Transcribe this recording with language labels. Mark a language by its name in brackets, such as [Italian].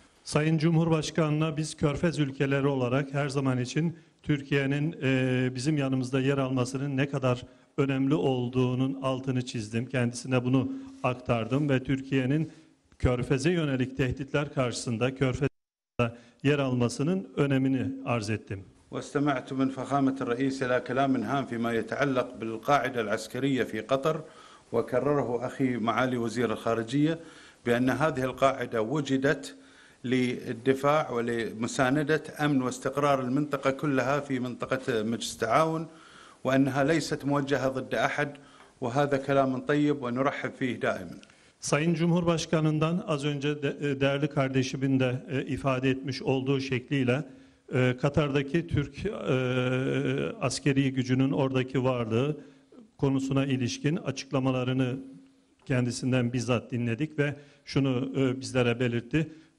[Turkish] Sayın Cumhurbaşkanına biz Körfez ülkeleri olarak her zaman için Türkiye'nin bizim yanımızda yer almasının ne kadar önemli olduğunun altını çizdim. Kendisine bunu aktardım ve Türkiye'nin Körfez'e yönelik tehditler karşısında Körfez'de yer almasının önemini arz ettim. [Arabic] واستمعت من فخامة الرئيس إلى كلام هام فيما يتعلق بالقاعدة العسكرية في قطر وكرره أخي معالي وزير الخارجية بأن هذه القاعدة وجدت للدفاع ولمساندة أمن واستقرار المنطقة كلها في منطقة مجلس التعاون وأنها ليست موجهة ضد أحد وهذا كلام طيب ونرحب فيه دائما. [Turkish] Sayın Cumhurbaşkanından az önce değerli kardeşimin de ifade etmiş olduğu şekliyle Katar'daki Türk askeri gücünün oradaki varlığı konusuna ilişkin açıklamalarını kendisinden bizzat dinledik ve şunu bizlere belirtti.